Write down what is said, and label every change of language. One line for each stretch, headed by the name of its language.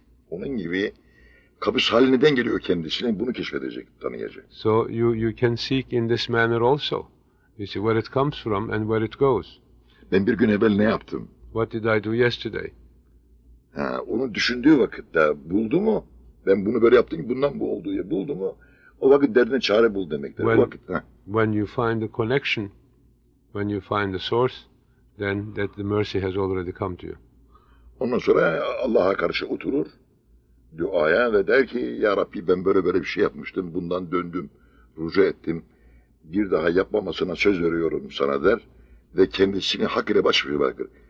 Turkish: onun gibi kabus hali neden geliyor kendisine, bunu keşfedecek, tanıyacak.
English: So you can seek in this manner also. You see where it comes from and where it goes.
Turkish: Ben bir gün evvel ne yaptım?
English: What did I do yesterday?
Turkish: Ha, onu düşündüğü vakitte buldu mu? Ben bunu böyle yaptım, bundan bu oldu ya, buldu mu? O vakit derdine çare bul demektir.
English: When you find the connection, when you find the source, then that the mercy has already come to you.
Turkish: Ondan sonra Allah'a karşı oturur, duaya ve der ki, ya Rabbi, ben böyle bir şey yapmıştım, bundan döndüm, rücu ettim, bir daha yapmamasına söz veriyorum sana der ve kendisini hak ile baş başa bırakır.